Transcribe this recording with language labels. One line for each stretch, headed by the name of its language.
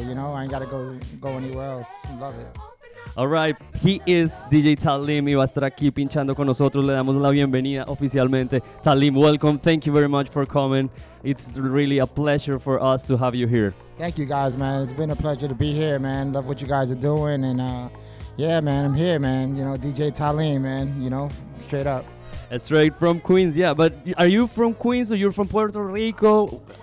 English: You know, I ain't gotta go anywhere else. Love it. All right, he is DJ Talim.
Spanish: He va a estar aquí pinchando con nosotros. Le damos la bienvenida oficialmente.
English: Talim, welcome. Thank you very much for coming. It's really a pleasure for us to have you here. Thank you, guys, man. It's been a pleasure to be here, man. Love what you guys are doing. And yeah, man, I'm here, man. You know, DJ Talim, man. You know, straight up. Straight from Queens, yeah. But are you from Queens or you're from Puerto Rico?